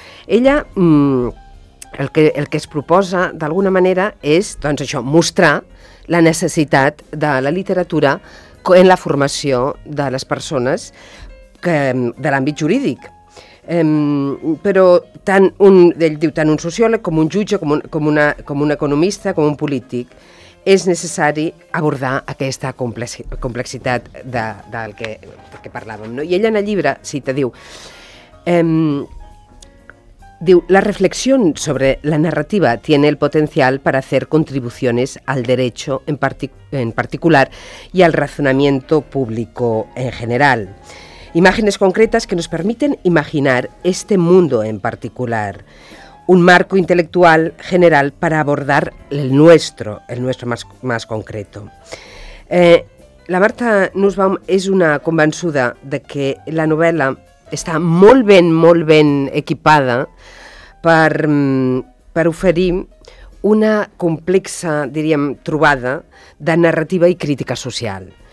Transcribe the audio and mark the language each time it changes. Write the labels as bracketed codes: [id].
[ca] Ella, el que es proposa, d'alguna manera, és, doncs això, mostrar la necessitat de la literatura en la formació de les persones que, de l'àmbit jurídic. Però tant un, ell diu, tant un sociòleg com un jutge, com un economista, com un polític, és necessari abordar aquesta complexitat del que parlàvem. No? I ella en el llibre cita, diu, diu, [es] la reflexión sobre la narrativa tiene el potencial para hacer contribuciones al derecho en particular y al razonamiento público en general. Imágenes concretas que nos permiten imaginar este mundo en particular. Un marco intelectual general para abordar el nuestro más concreto. [ca] La Marta Nussbaum és una convençuda de que la novel·la està molt ben equipada per oferir una complexa, diríem, trobada de narrativa i crítica social.